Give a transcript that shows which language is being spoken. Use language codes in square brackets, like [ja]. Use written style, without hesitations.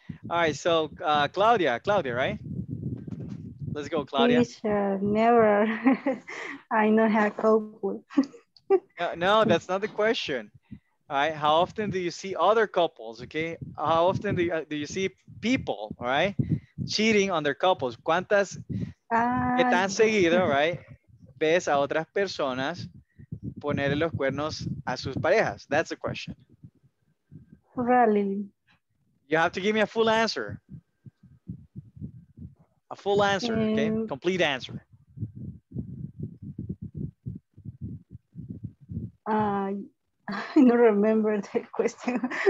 [en] All right, so Claudia, right? Let's go, Claudia. Never. I know how to cope. No, that's not the question. All right. How often do you see other couples? Okay. How often do you see people, all right, cheating on their couples? [es] ¿Cuántas están seguido, right? ¿Ves a otras personas poner los cuernos a sus parejas? [en] That's the question. Really? You have to give me a full answer. A full answer, okay? Complete answer. I don't remember the question.